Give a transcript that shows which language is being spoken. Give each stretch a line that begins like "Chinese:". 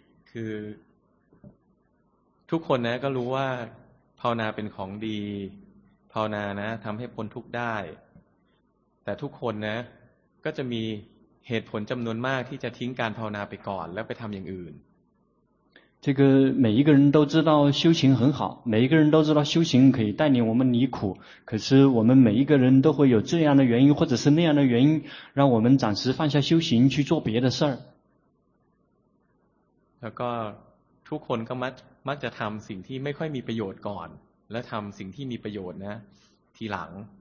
Thai: คือทุกคนนะก็รู้ว่าภาวนาเป็นของดีภาวนานะทำให้พ้นทุกข์ได้แต่ทุกคนนะก็จะมีเหตุผลจำนวนมากที่จะทิ้งการภาวนาไปก่อนแล้วไปทำอย่างอื่น
Chinese: 这个每一个人都知道修行很好每一个人都知道修行可以带领我们离苦可是我们每一个人都会有这样的原因或者是那样的原因让我们暂时放下修行去做别的事儿
Thai: แล้วก็ทุกคนก็มักจะทำสิ่งที่ไม่ค่อยมีประโยชน์ก่อนแล้วทำสิ่งที่มีประโยชน์นะทีหลัง